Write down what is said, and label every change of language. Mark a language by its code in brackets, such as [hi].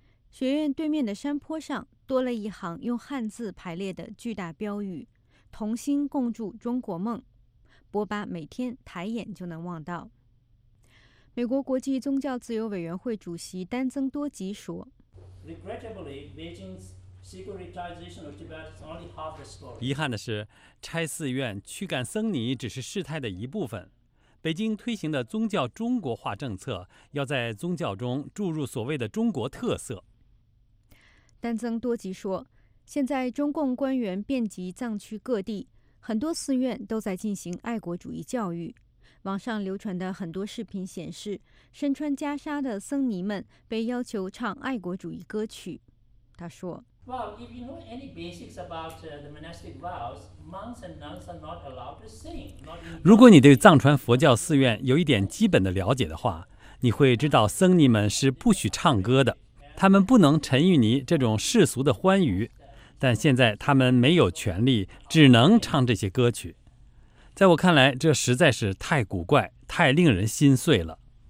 [zh] 学院对面的山坡上多了一行用汉字排列的巨大标语，同心共筑中国梦。博巴每天抬眼就能望到。美国国际宗教自由委员会主席丹增多吉说， [en] Regrettably, Beijing's secretization of Tibet is only half the story. [zh] 遗憾的是，拆寺院驱赶僧尼只是事态的一部分。北京推行的宗教中国化政策要在宗教中注入所谓的中国特色。丹增多吉说，现在中共官员遍及藏区各地，很多寺院都在进行爱国主义教育。网上流传的很多视频显示，身穿袈裟的僧尼们被要求唱爱国主义歌曲。他说， [en] Well, if you know any basics about the monastic vows, monks and nuns are not allowed to sing. [zh] 如果你对藏传佛教寺院有一点基本的了解的话，你会知道僧尼们是不许唱歌的，他们不能沉浸于这种世俗的欢愉。但现在他们没有权利，只能唱这些歌曲。在我看来，这实在是太古怪，太令人心碎了。